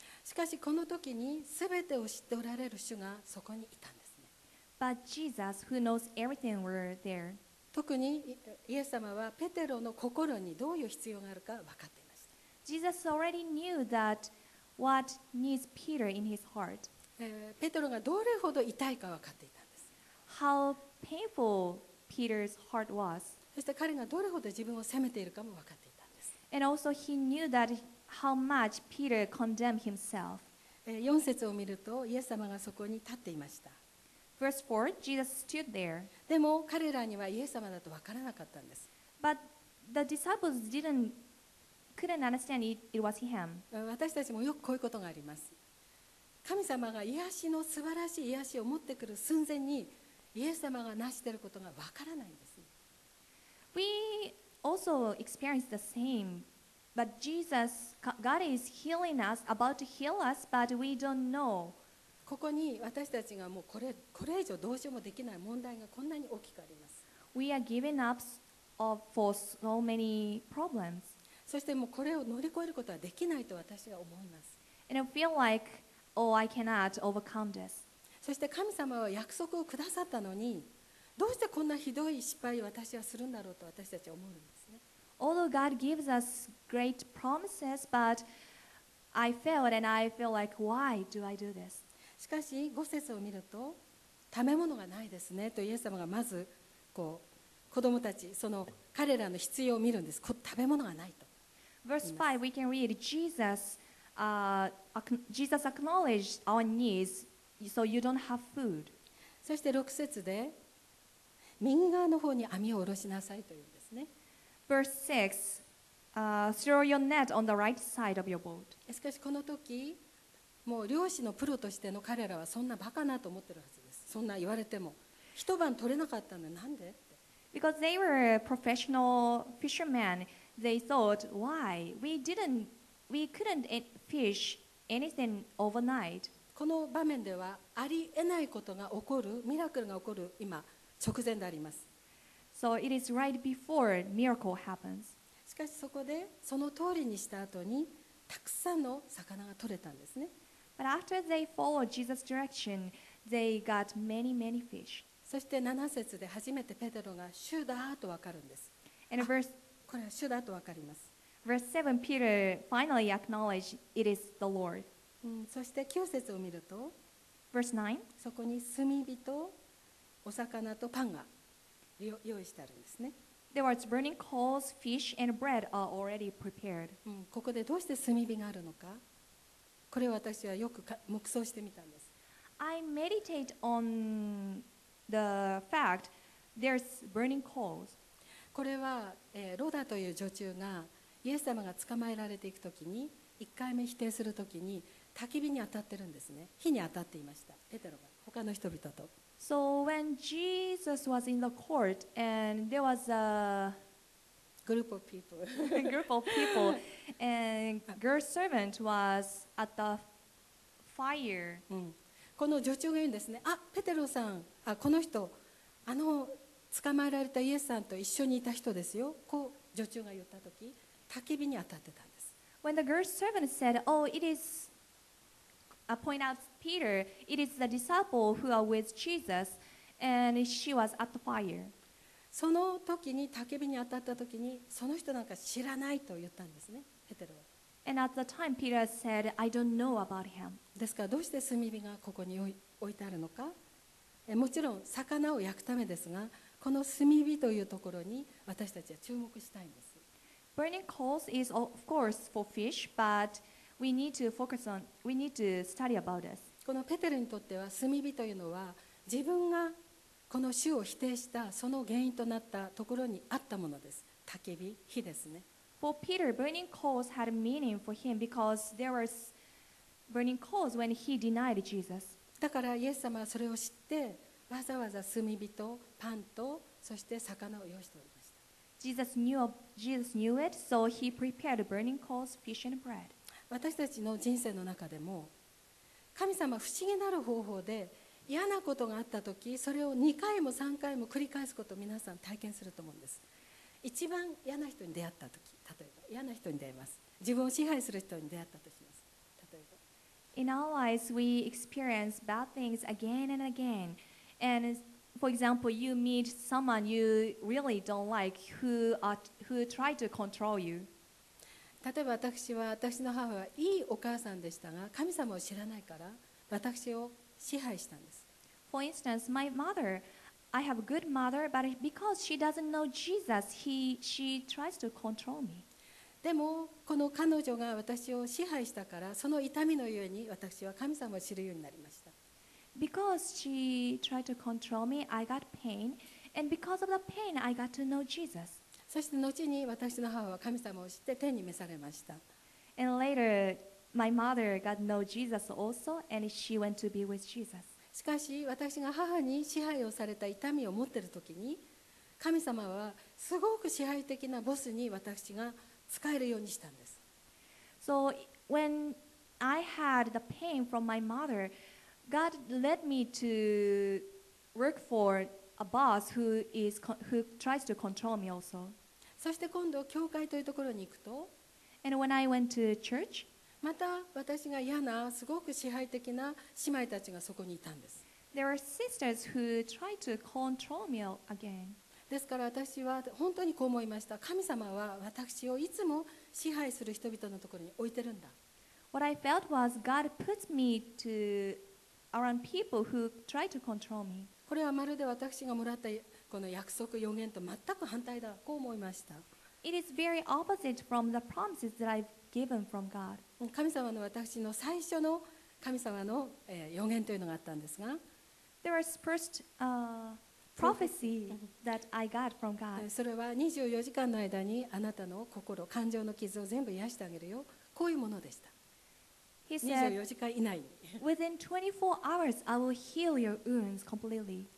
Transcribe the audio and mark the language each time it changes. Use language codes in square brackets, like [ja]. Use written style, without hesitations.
[ja] しかしこの時に全てを知っておられる主がそこにいたんですね。 [en] But Jesus, who knows everything, were there. [ja] 特にイエス様はペテロの心にどういう必要があるか分かってい [en] Jesus already knew that what needs Peter in his heart. [ja] ペテロがどれほど痛いか分かっていたんです。 [en] How painful Peter's heart was. [ja] そして彼がどれほど自分を責めているかも分かっていたんです。 [en] And also he knew that how much Peter condemned himself. [ja] 4節を見るとイエス様がそこに立っていました。 [en] Verse 4, Jesus stood there. [ja] でも彼らにはイエス様だと分からなかったんです。 [en] But the disciples didn't understand it was him. [ja] 私たちもよくこういうことがあります。神様が癒しの素晴らしい癒しを持ってくる寸前にイエス様が成していることがわからないんです。 [en] We also experience the same, but Jesus, God is healing us, about to heal us, but we don't know. [ja] ここに私たちがもうこれ以上どうしようもできない問題がこんなに大きくあります。 [en] We are giving up for so many problems. [ja] そしてもうこれを乗り越えることはできないと私は思います。 [en] And I feel like, oh, I cannot overcome this. [ja] そして神様は約束をくださったのに、どうしてこんなひどい失敗を私はするんだろうと私たちは思うんですね。 [en] Although God gives us great promises, but I failed and I feel like, why do I do this? [ja] しかし5節を見ると、食べ物がないですねとイエス様がまずこう子供たち、その彼らの必要を見るんです。食べ物がないと。 [en] Verse 5, we can read Jesus acknowledged our needs, so you don't have food. [ja] そして6節で、右側の方に網を下ろしなさいというんですね。 [en] Verse 6, throw your net on the right side of your boat. [ja] しかしこの時、もう漁師のプロとしての彼らはそんなバカなと思ってるはずです。そんな言われても。一晩取れなかったのになんで？ [en] Because they were professional fishermen, they thought, why? We couldn't fish anything overnight. [ja] この場面ではありえないことが起こる、ミラクルが起こる今、直前であります。 [en] So it is right before miracle happens. [ja] しかしそこでその通りにした後にたくさんの魚が取れたんですね。 [en] But after they followed Jesus' direction, they got many, many fish. [ja] そして7節で初めてペテロが主だと分かるんです。 [en] And verse, [ja] これは主だと分かります。 [en] Verse 7, Peter finally acknowledged it is the Lord. [ja] そして9節を見ると [en] Verse 9 [ja] そこに炭火とお魚とパンが用意してあるんですね。 [en] There are burning coals, fish and bread are already prepared. [ja] ここでどうして炭火があるのか、これは私はよく黙想してみたんです。 [en] I meditate on the fact there's burning coals. [ja] これは、ロダという女中がイエス様が捕まえられていくときに、一回目否定するときに焚き火に当たってるんですね。火に当たっていました。ペテロが他の人々と。 [en] So when Jesus was in the court and there was a group of people, group of people, and girl servant was at the fire.、 [ja] この女中が言うんですね。あ、ペテロさん、あ、この人、あの捕まえられたイエスさんと一緒にいた人ですよ。こう女中が言ったとき。焚き火に当たってたんです。 [en] When the girl servant said, "Oh, it is," I point out Peter. It is the disciple who are with Jesus, and she was at the fire. [ja] その時に焚き火に当たった時に、その人なんか知らないと言ったんですね、ペテロは。 [en] And at the time, Peter said, "I don't know about him." [ja] ですからどうして炭火がここに置いてあるのか。もちろん魚を焼くためですが、この炭火というところに私たちは注目したいんです。 [en] Burning coals is of course for fish, but we need to focus on, we need to study about this. [ja] このペテロにとっては炭火というのは自分がこの主を否定したその原因となったところにあったものです。焚き火、火ですね。 [en] For Peter, burning coals had meaning for him because there was burning coals when he denied Jesus. [ja] だからイエス様はそれを知ってわざわざ炭火とパンとそして魚を用意しております。 [en] Jesus knew it, so he prepared burning coals, fish and bread. [ja] 私たちの人生の中でも、神様不思議なる方法で嫌なことがあったとき、それを2回も3回も繰り返すことを皆さん体験すると思うんです。一番嫌な人に出会ったとき、例えば嫌な人に出会います。自分を支配する人に出会ったとします。例えば。 [en] In our lives, we experience bad things again and again, and For example, you meet someone you really don't like who try to control you. [ja] 例えば私は私の母はいいお母さんでしたが、神様を知らないから私を支配したんです。 [en] For instance, my mother, I have a good mother, but because she doesn't know Jesus, she tries to control me. [ja] でもこの彼女が私を支配したから、その痛みのゆえに私は神様を知るようになりました。 [en] Because she tried to control me, I got pain. And because of the pain, I got to know Jesus. [ja] そして後に私の母は神様を知って天に召されました。 [en] And later, my mother got to know Jesus also, and she went to be with Jesus. [ja] しかし私が母に支配をされた痛みを持っている時に、神様はすごく支配的なボスに私が使えるようにしたんです。 [en] So when I had the pain from my mother,God led me to work for a boss who tries to control me also. [ja] そして今度教会というところに行くと、 [en] And when I went to church, [ja] また私が嫌なすごく支配的な姉妹たちがそこにいたんです。 [en] There were sisters who tried to control me again. [ja] ですから私は本当にこう思いました。神様は私をいつも支配する人々のところに置いてるんだ。 [en] What I felt was God puts me toAround people who try to control me. [ja] これはまるで私がもらったこの約束予言と全く反対だ、こう思いました。 [en] It is very opposite from the promises that I've given from God. [ja] 神様の私の最初の神様の、予言というのがあったんですが、 [en] There was first prophecy that I got from God. [ja] それは24時間の間にあなたの心、感情の傷を全部癒してあげるよ、こういうものでした。 [en] He said, [ja] 24時間以内に。 [en] Within 24 hours, I will heal your wounds completely.